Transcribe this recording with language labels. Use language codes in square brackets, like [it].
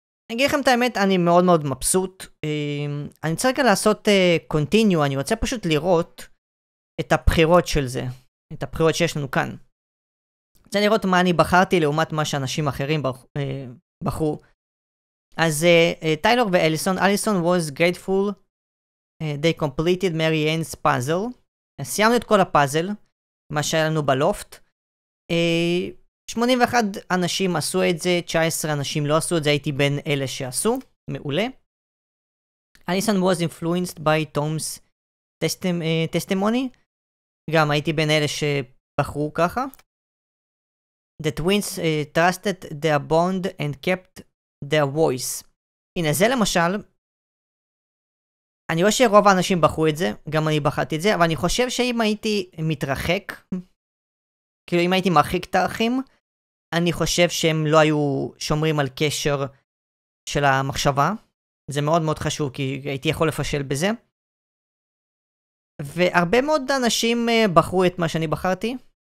[he] אני אגיד לכם את האמת, אני מאוד מאוד מבסוט. אני צריך לעשות continue, אני רוצה פשוט לראות את הבחירות של זה, את הבחירות שיש לנו כאן. רוצה לראות מה אני בחרתי לעומת מה שאנשים אחרים בחרו. אז טיילור ואליסון, אליסון [en] was grateful. They completed Mary Ann's puzzle. [he] סיימנו את כל הפאזל, מה שהיה לנו בלופט. 81 אנשים עשו את זה, 19 אנשים לא עשו את זה, הייתי בין אלה שעשו. מעולה. [en] Alison was influenced by Tom's testimony. [he] גם הייתי בין אלה שבחרו ככה. [en] The twins trusted their bond and kept their voice. [he] הנה, זה למשל... אני רואה שרוב האנשים בחרו את זה, גם אני בחרתי את זה, אבל אני חושב שאם הייתי מתרחק, כאילו אם הייתי מרחיק את האחים, אני חושב שהם לא היו שומרים על קשר של המחשבה. זה מאוד מאוד חשוב, כי הייתי יכול לפשל בזה. והרבה מאוד אנשים בחרו את מה שאני בחרתי.